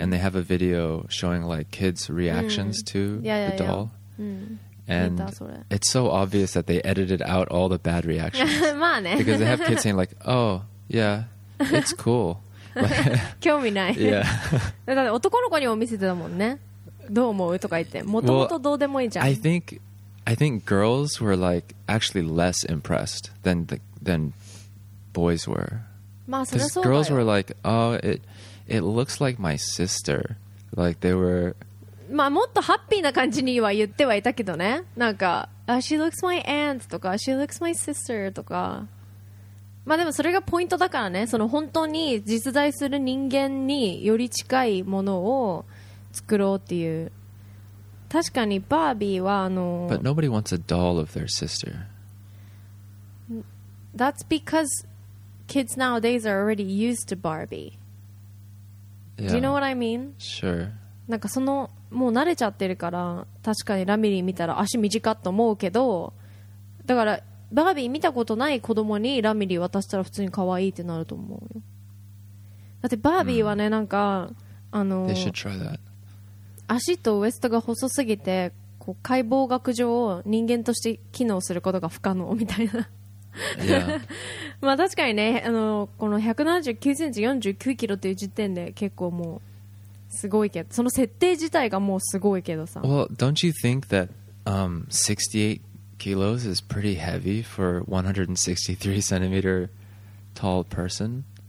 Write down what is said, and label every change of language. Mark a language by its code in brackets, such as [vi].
[en] and they have a video showing like kids reactions、mm. to yeah, the yeah, doll yeah.、Mm. and it's so obvious that they edited out all the bad reactions [ja] まあね [en] because they have kids saying like oh yeah it's cool [ja] 興味ない [en] yeah [ja] だから男の子にも見せてたもんねどう思うとか言ってもともとどうでもいいじゃん [en] well, I think girls were like actually less impressed than boys were Because、まあ、 girls were like, oh, it looks like my sister. Like they were. [ja] まあもっとハッピーな感じには言ってはいたけどね。 [en] なんか、she looks my aunt とか she looks my sister とか。 [ja] まあでもそれがポイントだからね。その本当に実在する人間により近いものを作ろうっていう。確かにバービーはあの。 [en] But nobody wants a doll of their sister. That's because. Kids nowadays are already used to Barbie. Yeah. Do you know what I mean? Sure. [ja] なんかそのもう慣れちゃってるから確かにラミリー見たら足短って思うけどだからバービー見たことない子供にラミリー渡したら普通に可愛いってなると思うよ。だってバービーはね、mm. なんかあの [en] They should try that. [ja] 足とウエストが細すぎてこう解剖学上人間として機能することが不可能みたいな、 [en] yeah. [ja] まあ確かにね、あのこの179cm 49kg という時点で結構もうすごいけど、その設定自体がもうすごいけどさ。 [en] Well, don't you think that 68kg is pretty heavy for 163cm tall person?